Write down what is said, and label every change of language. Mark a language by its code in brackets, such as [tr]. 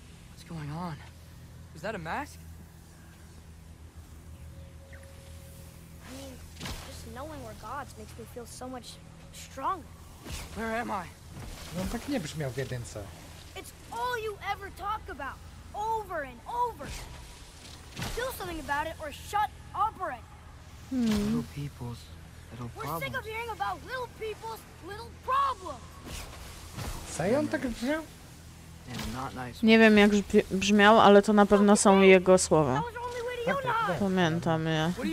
[en] What's going on? Is that a mask? I mean, just knowing we're gods makes me feel so much stronger. Where am I? [pl] No, tak nie brzmiał w jedynce. [en] It's all you ever talk about, over and over. Do something about it or shut up or it. Little people's little problems. We're sick of hearing about little people's little problems. [pl] Say on tak brzmiał? Nie wiem, jak brzmiał, ale to na pewno są jego słowa. Pamiętam je.